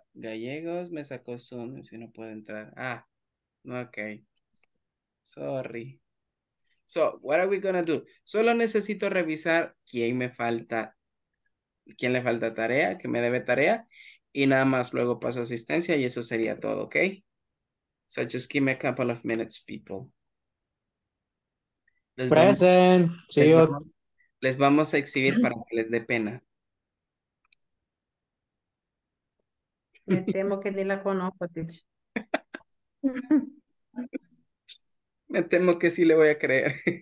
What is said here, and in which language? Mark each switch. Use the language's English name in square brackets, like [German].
[Spanish] Gallegos me sacó Zoom, si no puede entrar. Ah, ok. Sorry. [English] So, what are we gonna do? [Spanish] Solo necesito revisar quién me falta, quién le falta tarea, que me debe tarea, y nada más luego paso asistencia y eso sería todo, ¿ok? [English] So, just give me a couple of minutes, people. [Spanish] Les present. Vamos, sí, les vamos a exhibir para que les dé pena. Me temo que ni la conozco, teacher. Me temo que sí le voy a creer.